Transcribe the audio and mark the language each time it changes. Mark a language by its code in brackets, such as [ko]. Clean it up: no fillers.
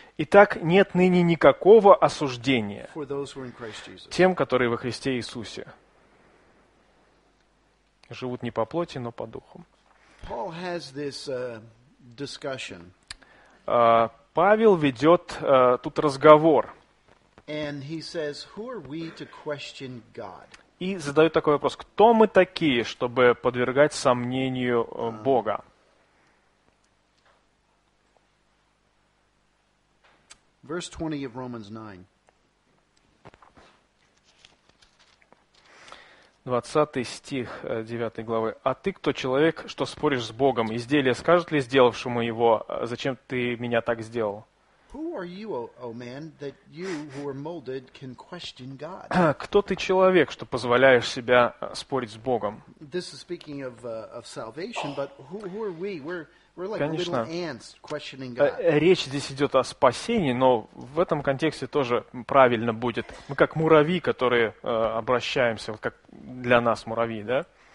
[ru] Итак, нет ныне никакого осуждения тем, которые во Христе Иисусе живут не по плоти, но по духу. [en] Paul has this, discussion. [ru] Павел ведет тут разговор. [en] And he says, who are we to question God? [ru] И задает такой вопрос: кто мы такие, чтобы подвергать сомнению Бога? [en] Verse 20 of Romans 9. [ru] 20 стих 9 главы. А ты кто человек, что споришь с Богом? Изделие скажет ли сделавшему его, зачем ты меня так сделал? [en] Who are you, O man, that you who are molded can question God? [ru] Кто ты человек, что позволяешь себя спорить с Богом? [en] This is speaking of salvation, but who are we? We're like [ru] Конечно. [en] Little ants questioning God. [ru] Речь здесь идет о спасении, но в этом контексте тоже правильно будет. Мы как муравьи, которые обращаемся, вот как для нас муравьи, да?